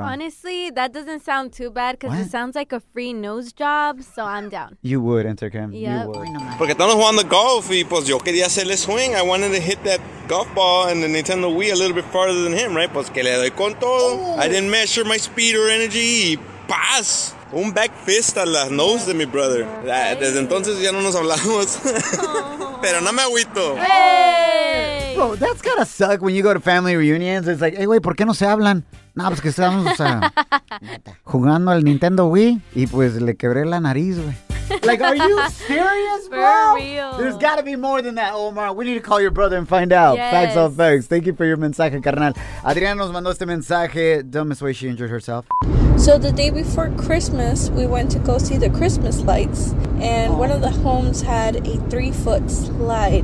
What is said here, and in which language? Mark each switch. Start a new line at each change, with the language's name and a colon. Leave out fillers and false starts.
English: Honestly, that doesn't sound too bad because it sounds like a free nose job, so I'm down. You would, Intercam. Yep. You would.
Spanish: Porque estamos jugando golf y pues yo quería hacerle swing.
English: I wanted to hit that golf ball and the Nintendo Wii a little bit farther than him, right?
Spanish: Pues que le doy con todo.
English: I didn't measure my speed or energy
Spanish: y paz. Un
English: back fist
Spanish: a la nose de mi brother. Okay. Desde entonces ya no nos hablamos. Pero no me agüito.
English: Bro, that's gotta suck when you go to family reunions. It's like, hey,
Spanish: güey, ¿por qué no se hablan? No, pues que estamos jugando al Nintendo Wii y pues le quebré la nariz, güey.
English: Like, are you serious, bro? For real. There's gotta be more than that, Omar. We need to call your brother and find out. Yes. Facts on facts. Thank you for your mensaje, carnal.
Spanish: Adriana nos mandó este mensaje.
English: Dumbest way she injured herself. So the day before Christmas, we went to go see the Christmas lights. And one of the homes had a 3-foot slide.